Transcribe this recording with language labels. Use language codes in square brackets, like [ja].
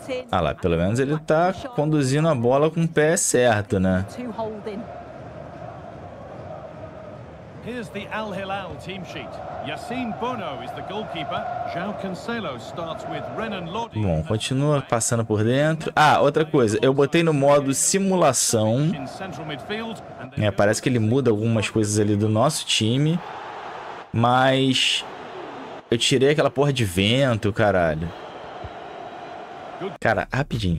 [pt] Ah lá, pelo menos ele tá conduzindo a bola com o pé certo, né? [en] Here's the Al Hilal team sheet. Yassin Bono is the goalkeeper. João Cancelo starts with Renan Lodi. [pt] Bom, continua passando por dentro. Ah, outra coisa, eu botei no modo simulação. É, parece que ele muda algumas coisas ali do nosso time. Mas eu tirei aquela porra de vento, caralho. Cara, rapidinho.